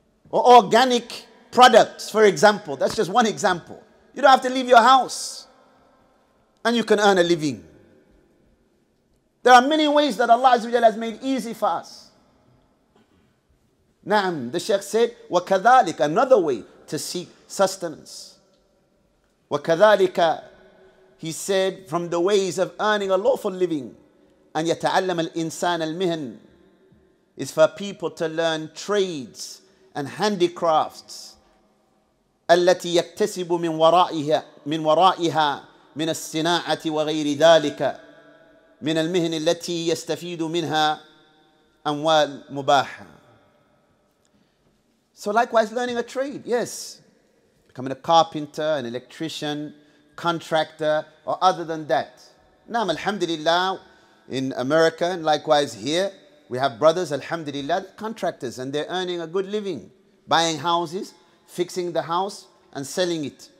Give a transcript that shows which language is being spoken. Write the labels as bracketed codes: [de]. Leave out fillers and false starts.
[en] Or organic products, for example. That's just one example. You don't have to leave your house. And you can earn a living. There are many ways that Allah has made easy for us. Naam, the Shaykh said, [ar] وكذلك, [en] another way to seek sustenance. [ar] وكذلك, [en] he said, from the ways of earning a lawful living, [ar] أن يتعلم الإنسان المهن, [en] is for people to learn trades and handicrafts, [ar] التي يكتسب من ورائها من الصناعة وغير ذلك من المهن التي يستفيد منها أموال مباحة. [en] So likewise, learning a trade, yes. Becoming a carpenter, an electrician, contractor, or other than that. Naam, alhamdulillah, in America, and likewise here, we have brothers, alhamdulillah, contractors, and they're earning a good living, buying houses, fixing the house, and selling it.